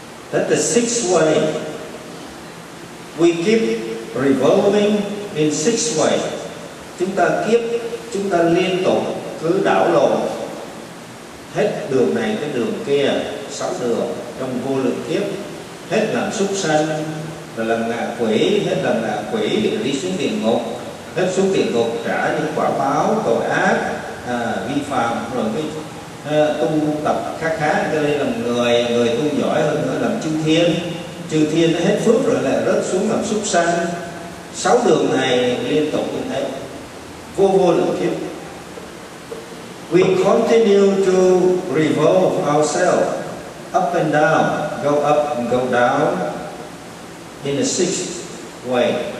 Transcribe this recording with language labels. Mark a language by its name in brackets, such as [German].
[English] That the sixth way, we keep revolving in sixth way. [Vietnamese] Chúng ta kiếp, chúng ta liên tục cứ đảo lộn hết đường này cái đường kia, sáu đường trong vô lượng kiếp. hết làm súc sanh và làm ngạ quỷ, hết làm ngạ quỷ để đi xuống địa ngục, hết xuống địa ngục trả những quả báo tội ác vi phạm rồi cái tu tập khác khá cho nên làm người tu giỏi hơn nữa làm chư thiên, chư thiên hết phước rồi lại rớt xuống làm súc sanh. Sáu đường này liên tục như thế vô lượng kiếp. [English] We continue to revolve ourselves up and down, go up and go down in a sixth way.